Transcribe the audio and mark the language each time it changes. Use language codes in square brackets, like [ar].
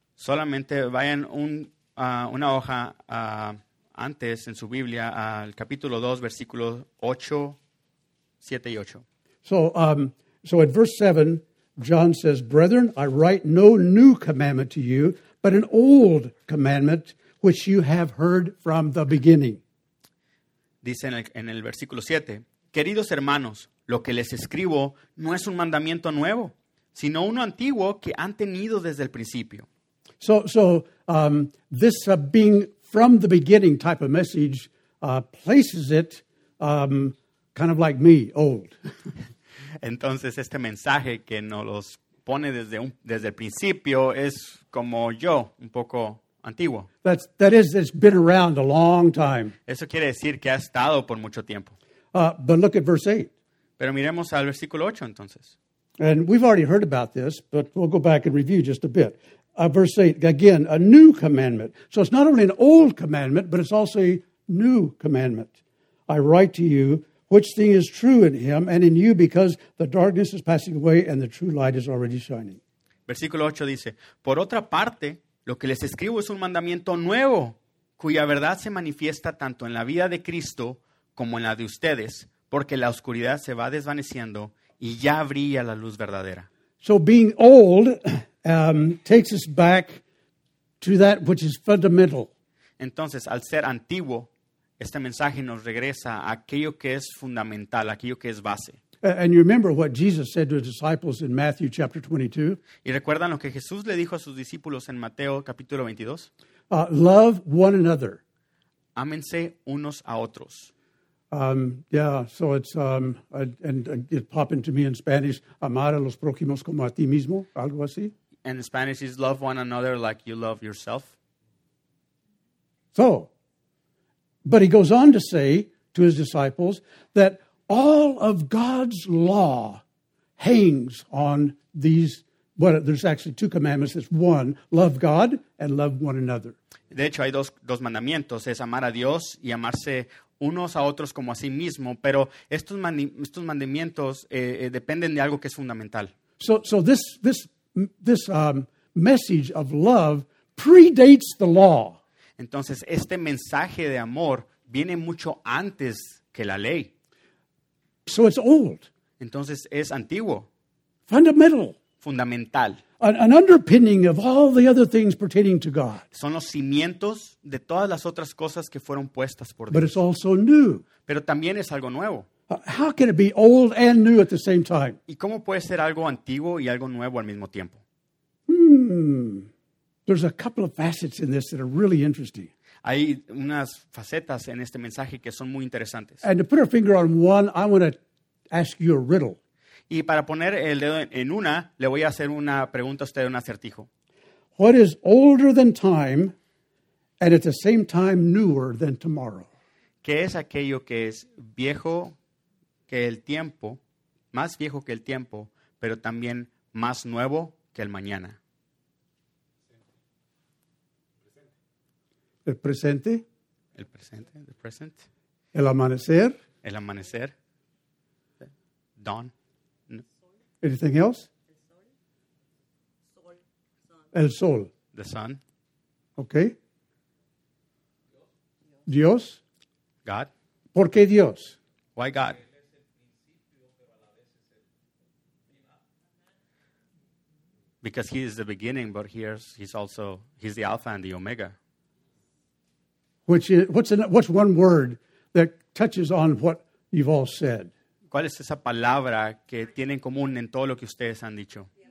[es] Solamente vayan una hoja antes en su Biblia al capítulo 2, versículos 8, 7 y 8. [en] So at verse 7, John says, "Brethren, I write no new commandment to you, but an old commandment which you have heard from the beginning." [es] Dice en el versículo 7, "Queridos hermanos, lo que les escribo no es un mandamiento nuevo, sino uno antiguo que han tenido desde el principio." [en] So this being from the beginning type of message places it kind of like me, old. [es] Entonces, este mensaje que nos los pone desde el principio es como yo, un poco antiguo. [en] It's been around a long time. [es] Eso quiere decir que ha estado por mucho tiempo. [en] But look at verse 8. [es] Pero miremos al versículo 8, entonces. [en] And we've already heard about this, but we'll go back and review just a bit. Verse 8, again, a new commandment. So it's not only an old commandment, but it's also a new commandment. I write to you, which thing is true in him and in you, because the darkness is passing away and the true light is already shining. [es] Versículo 8 dice, "Por otra parte, lo que les escribo es un mandamiento nuevo, cuya verdad se manifiesta tanto en la vida de Cristo como en la de ustedes, porque la oscuridad se va desvaneciendo y ya brilla la luz verdadera." [en] So being old takes us back to that which is fundamental. [es] Entonces, al ser antiguo, este mensaje nos regresa a aquello que es fundamental, aquello que es base. [en] And you remember what Jesus said to his disciples in Matthew chapter 22? [es] ¿Y recuerdan lo que Jesús le dijo a sus discípulos en Mateo capítulo 22? [en] Love one another. [es] Ámense unos a otros. [en] It popped into me in Spanish, [es] amar a los prójimos como a ti mismo, algo así. [en] And in Spanish is love one another like you love yourself. So, but he goes on to say to his disciples that all of God's law hangs on these, there's actually two commandments. It's one, love God and love one another. [es] De hecho, hay dos mandamientos, es amar a Dios y amarse unos a otros como a sí mismo. Pero estos mandamientos dependen de algo que es fundamental. [en] So this message of love predates the law. [es] Entonces, este mensaje de amor viene mucho antes que la ley. [en] So it's old. [es] Entonces, es antiguo. [en] Fundamental. [es] Fundamental. [en] An underpinning of all the other things pertaining to God. [es] Son los cimientos de todas las otras cosas que fueron puestas por Dios. [en] But it's also new. [es] Pero también es algo nuevo. [en] How can it be old and new at the same time? [es] ¿Y cómo puede ser algo antiguo y algo nuevo al mismo tiempo? [en] There's a couple of facets in this that are really interesting. [es] Hay unas facetas en este mensaje que son muy interesantes. [en] And to put a finger on one, I want to ask you a riddle. [es] Y para poner el dedo en una, le voy a hacer una pregunta a usted, un acertijo. [en] What is older than time and at the same time newer than tomorrow? [es] ¿Qué es aquello que es viejo que el tiempo, más viejo que el tiempo, pero también más nuevo que el mañana? El presente. El presente. [en] The present. [es] El amanecer. El amanecer. [en] Dawn. No. Anything else? [es] El sol. El sol. [en] The sun. Okay. [es] Dios. [en] God. [es] ¿Por qué Dios? [en] Why God? Because he is the beginning, but he's the Alpha and the Omega. What's one word that touches on what you've all said? [es] ¿Cuál es esa palabra que tiene en común en todo lo que ustedes han dicho?